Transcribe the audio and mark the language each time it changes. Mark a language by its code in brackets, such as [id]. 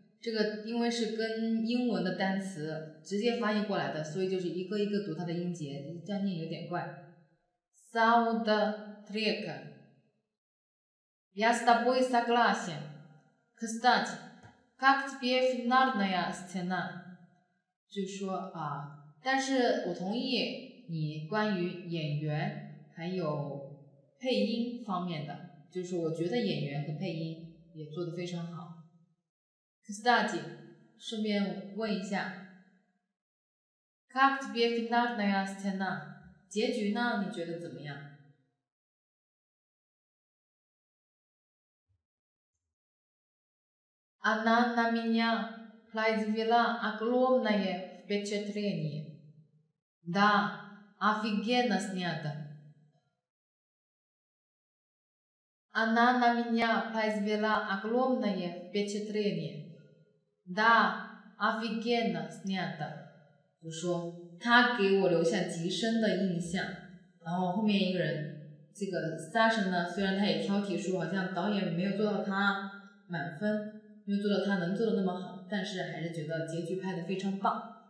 [zh] 这个因为是跟英文的单词直接翻译过来的所以就是一个一个读它的音节这样念有点怪 [ru] Soundtrack Я с тобой согласен Кстати Как тебе финальная сцена [zh] 就说啊，但是我同意你关于演员还有配音方面的就是我觉得演员和配音也做得非常好。 [ru] Кстати, [zh] 顺便问一下 [ru] ,Как тебе финальная сцена? [zh] 结局呢你觉得怎么样 [ru] ?Она на меня произвела огромное впечатление. Да, офигенно снято. Она на меня произвела огромное впечатление. Да, офигенно снято. [zh] 就说他给我留下极深的印象。然后后面一个人，这个 Саша 呢，虽然他也挑剔说，好像导演没有做到他满分，没有做到他能做的那么好，但是还是觉得结局拍得非常棒。